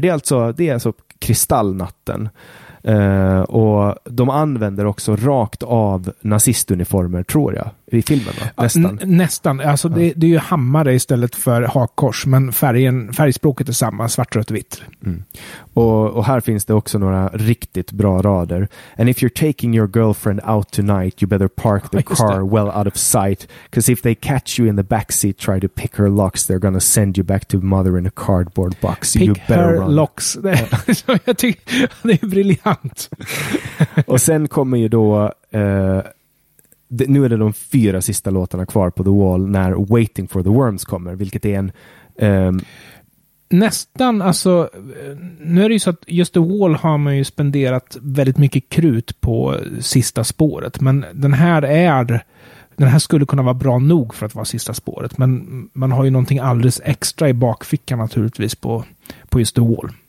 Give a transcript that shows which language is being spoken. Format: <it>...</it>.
<sv>Det är alltså Kristallnatten. Och de använder också rakt av nazistuniformer, tror jag, i filmen, va? Nästan. Alltså det är ju hammare istället för hakkors, men färgspråket är samma, svart, rött, vitt. Och här finns det också några riktigt bra rader.</sv> <en>And if you're taking your girlfriend out tonight, you better park the car well out of sight, because if they catch you in the backseat, try to pick her locks, they're gonna send you back to mother in a cardboard box. Pick you better her run. Locks.</en> <sv>Jag tycker det är briljant. Och sen kommer ju då nu är det de fyra sista låtarna kvar på The Wall när Waiting for the Worms kommer, vilket är en nästan, alltså nu är det ju så att just The Wall har man ju spenderat väldigt mycket krut på sista spåret, men den här skulle kunna vara bra nog för att vara sista spåret, men man har ju någonting alldeles extra i bakfickan naturligtvis på just The Wall.</sv>